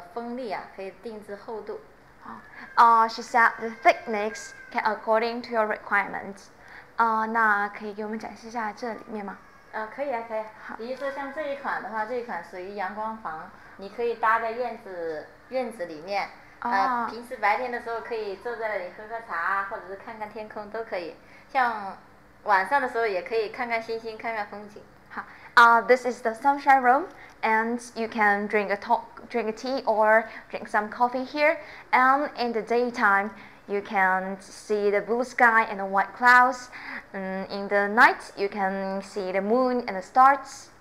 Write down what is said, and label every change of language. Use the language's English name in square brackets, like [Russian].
[Chinese] 可以根据比如说厨房室内、室外，不同的锋利啊，可以定制厚度。哦， [English] she said the thickness can according to your requirements. [Chinese] 那可以给我们展示一下这里面吗？可以啊，可以。比如说像这一款的话，这款属于阳光房，你可以搭在院子里面。平时白天的时候可以坐在那里喝喝茶，或者是看看天空都可以。像晚上的时候也可以看看星星，看看风景。好。 [English] This is the sunshine room, and you can drink tea or drink some coffee here. And in the daytime, you can see the blue sky and the white clouds. In the night, you can see the moon and the stars.